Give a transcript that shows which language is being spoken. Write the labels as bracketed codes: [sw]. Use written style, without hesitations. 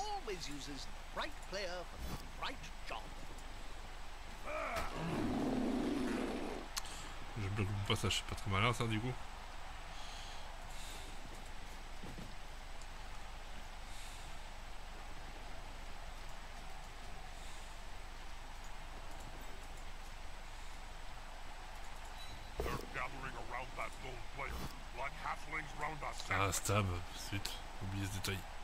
[en] Uses right player for the right job. [fr] Je bloque mon passage, c'est pas très malin ça du coup. [en] They're gathering around that lone player, like halflings round us. [fr] Ah, stab, zut, oublié ce détail.